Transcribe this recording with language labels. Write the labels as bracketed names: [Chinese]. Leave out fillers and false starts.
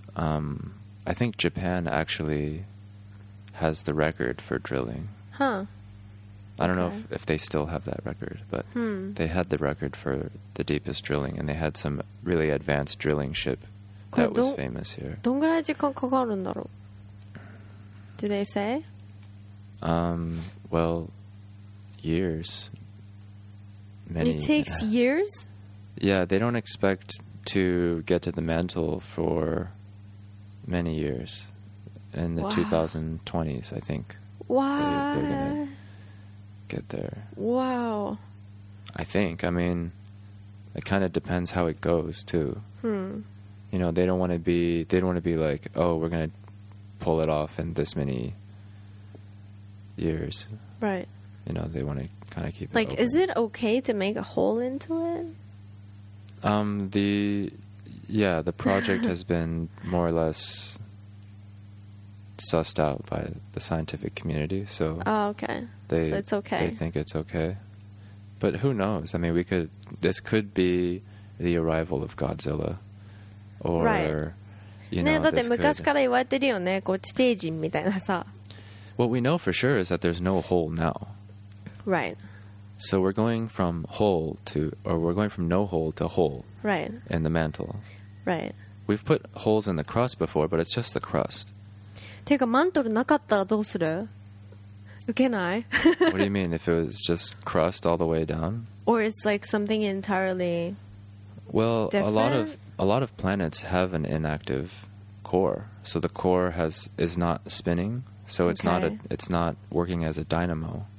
[English] I think Japan actually has the record for drilling. Huh. I don't know if they still have that record, but they had the record for the deepest drilling, and they had some really advanced drilling ship that was famous here. [Japanese] どんぐらい時間かかるんだろう? [English] Do they say? Well, years. Many. It takes years? Yeah, they don't expect to get to the mantle for many years. In the 2020s, I think. Wow. They're going to get there. Wow. I think. I mean, it kind of depends how it goes, too. You know, they don't want to be, they don't want to be like, oh, we're going to pull it off in this many years. Right. You know, they want to kind of keep like, it open. Like, is it okay to make a hole into it? The project has been more or less sussed out by the scientific community. So, oh, okay. So it's okay. They think it's okay. But who knows? I mean, this could be the arrival of Godzilla. Or, right. You know, [Japanese] ね、だって昔から言われてるよね、こう地底人みたいなさ。 [English] What we know for sure is that there's no hole now. Right. So we're going from hole to, or we're going from no hole to hole. Right. In the mantle. Right. We've put holes in the crust before, but it's just the crust. [Japanese] ていうかマントルなかったらどうする？受けない？ [English] What do you mean? If it was just crust all the way down? Or it's like something entirely well, different? A lot of planets have an inactive core, so the core is not spinning, so it's okay. It's not working as a dynamo.